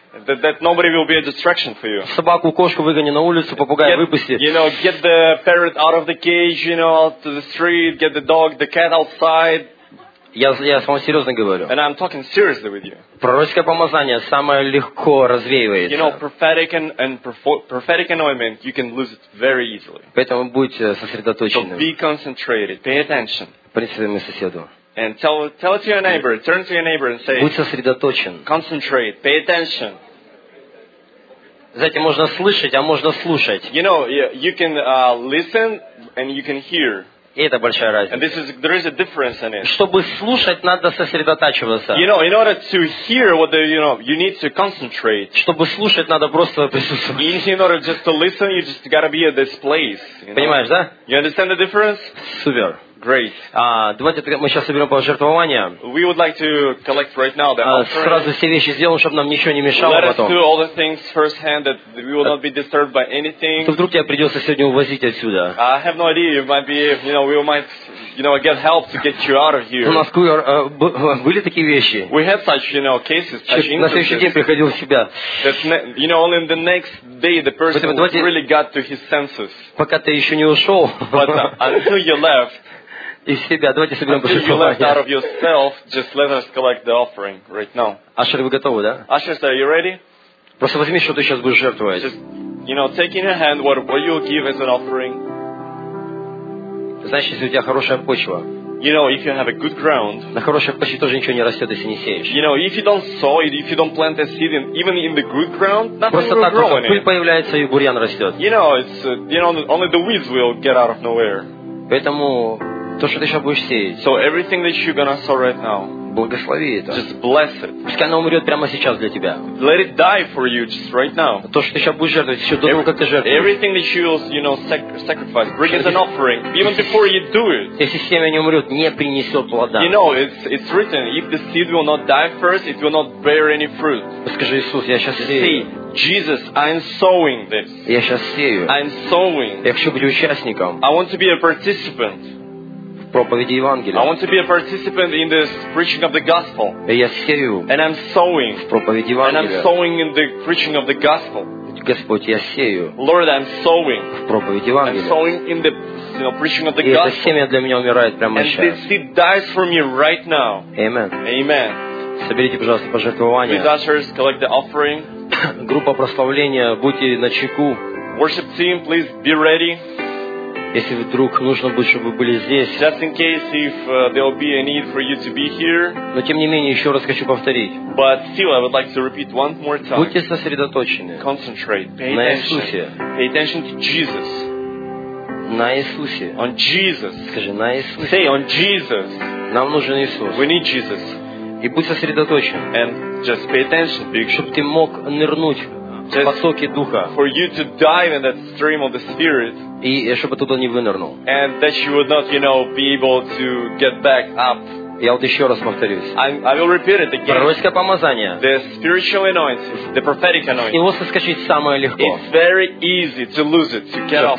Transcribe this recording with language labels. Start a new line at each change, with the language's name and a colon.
English: That nobody will be a distraction for you.
Russian: Собаку, кошку выгони на улицу, попугая выпусти.
English: You know, get the parrot out of the cage, you know, out to the street, get the dog, the cat outside.
Russian: Я с вами серьезно говорю.
English: And I'm talking seriously with you.
Russian: Пророческое помазание самое легко развеивается.
English: You know, prophetic anointment, you can lose it very easily.
Russian: Поэтому будьте сосредоточены.
English: So be concentrated, pay attention.
Russian: Представим соседу.
English: And tell it to your neighbor. Turn to your neighbor and say.
Russian: Будь сосредоточен.
English: Concentrate. Pay attention.
Russian: Знаете, можно слышать, а можно слушать.
English: You know, you can listen and you can hear.
Russian: И это большая разница.
English: And there is a difference in it.
Russian: Чтобы слушать, надо сосредотачиваться.
English: You know, in order to hear what you need to concentrate.
Russian: Чтобы слушать, надо просто присутствовать.
English: In order just to listen, you just gotta be at this place.
Russian: Понимаешь, да?
English: You understand the difference?
Russian: Супер.
English: Great.
Russian: Давайте мы сейчас соберем пожертвования.
English: We would like to collect right now the offering.
Russian: Сразу все вещи сделаем, чтобы нам ничего не мешало
English: Let
Russian: потом.
English: Let us do all the things firsthand that we will not be disturbed by anything.
Russian: Вдруг тебе придется сегодня увозить отсюда.
English: I have no idea. You might be, you know, we might, you know, get help to get you out of here.
Russian: В Москве были такие вещи.
English: We had such, you know, cases.
Russian: На следующий день приходил в себя.
English: You know, only in the next day the person really got to his senses.
Russian: Пока ты еще не ушел.
English: But until you left.
Russian: Из себя. Давайте соберем пожертвования. Ашер, вы готовы, да?
English: Ашер, are you ready?
Russian: Просто возьми, что ты сейчас будешь жертвовать.
English: Just, you know, take in your hand what you give as an offering.
Russian: Знаешь, если у тебя хорошая почва.
English: You know, if you have a good ground.
Russian: На хорошей почве тоже ничего не растет, если не сеешь.
English: You know, if you don't sow it, if you don't plant a seed, even in the good ground, nothing
Russian: просто
English: will
Russian: так,
English: grow in it.
Russian: Пыль появляется и бурьян растет.
English: You know, it's you know only the weeds will get out of nowhere.
Russian: Поэтому то, что ты сейчас будешь сеять.
English: So everything that you're gonna sow right now.
Russian: Благослови это.
English: Just bless it.
Russian: Пускай оно умрет прямо сейчас для тебя.
English: Let it die for you just right now.
Russian: То, что ты сейчас будешь жертвовать, еще до того, как ты жертвуешь.
English: Everything that you will, you know, sacrifice, bring as an offering, even before you do it.
Russian: Если семя не умрет, не принесет плода.
English: You know, it's written, if the seed will not die first, it will not bear any fruit.
Russian: Скажи, Иисус, я сейчас сею.
English: Jesus, I'm sowing this.
Russian: Я сейчас сею.
English: I'm sowing.
Russian: Я хочу быть участником.
English: I want to be a participant.
Russian: Проповеди Евангелия.
English: I want to be a participant in this preaching of the gospel.
Russian: И я сею.
English: And I'm sowing.
Russian: В проповеди Евангелия.
English: And I'm sowing in the preaching of the gospel.
Russian: Господь, я сею.
English: Lord, I'm sowing.
Russian: В проповеди Евангелия.
English: I'm sowing in the, you know, preaching of the
Russian: и
English: gospel.
Russian: И это семя для меня умирает прямо сейчас.
English: And this seed dies for me right now. Amen. Amen.
Russian: Соберите, пожалуйста, пожертвования.
English: Please, ushers, collect the offering.
Russian: Группа прославления, будьте на чеку.
English: Worship team, please be ready.
Russian: Если вдруг нужно будет, чтобы вы были здесь.
English: Just in case if there will be a need for you to be here.
Russian: Но тем не менее, еще раз хочу повторить.
English: But still, I would like to repeat one more time.
Russian: Будьте сосредоточены.
English: Concentrate. Pay
Russian: на Иисусе.
English: Pay attention to Jesus.
Russian: На Иисусе.
English: On Jesus.
Russian: Скажи, на Иисусе.
English: Say, on Jesus.
Russian: Нам нужен Иисус.
English: We need Jesus.
Russian: И будь сосредоточен.
English: And just pay attention.
Russian: Чтобы ты мог нырнуть.
English: For you to dive in that stream of the Spirit, and that you would not, you know, be able to get back up.
Russian: Я вот еще раз повторюсь.
English: I will repeat it again.
Russian: Пророческое помазание.
English: The spiritual anointing, the prophetic anointing.
Russian: Его соскочить самое легко.
English: It's very easy to lose it, to get off.